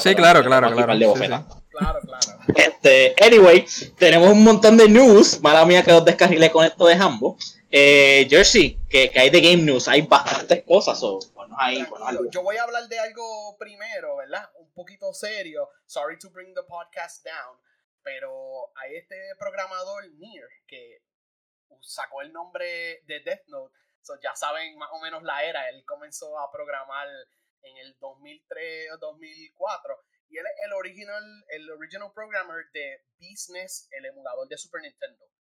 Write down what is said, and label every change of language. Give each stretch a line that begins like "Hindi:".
Spanish: Sí, claro. Para el de bofeta. Sí, sí. Claro. Anyway, tenemos un montón de news. Mala mía que los descarrilé con esto de Hambo. Jersey, que hay de game news. Hay bastantes cosas. Yo voy a hablar de algo primero, ¿verdad? Un poquito serio.
English: Sorry to bring the podcast down.
Spanish: Pero hay este programador, Nier, que sacó el nombre de Death Note. So, ya saben más o menos la era. Él comenzó a programar en el 2003 o 2004. Y él es el
English: original programmer
Spanish: de Business, el emulador de Super Nintendo.